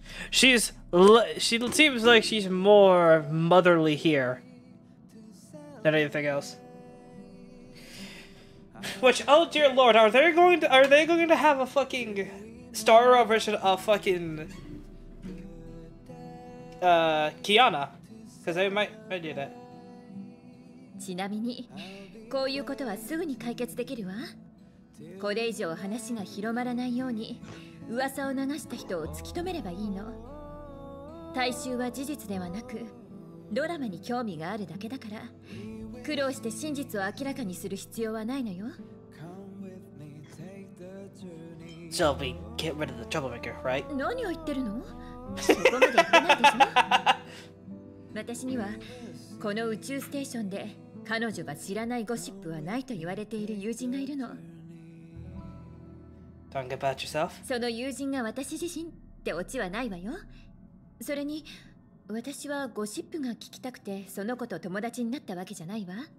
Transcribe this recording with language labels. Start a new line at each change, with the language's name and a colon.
English: She seems like she's more motherly here than anything else. Which, oh dear lord, are they going to have a fucking Star Rail version of fucking Kiana? Because they might do that.
Japanese: ちなみにこういうことはすぐに解決できるわ。これ以上話が広まらないように噂を流した人を突き止めればいいの。大衆は事実ではなくドラマに興味があるだけだから、苦労して真実を明らかにする必要はないのよ。
English: So we get rid of the troublemaker, right?
Japanese: 何を言ってるの？そこまで言ってないでしょ。私にはこの宇宙ステーションで彼女が知らないゴシップはないと言われている友人がいるの。
English: Don't get about yourself?
Japanese: その友人が私自身ってオチはないわよ。それに私はゴシップが聞きたくてその子と友達になったわけじゃないわ。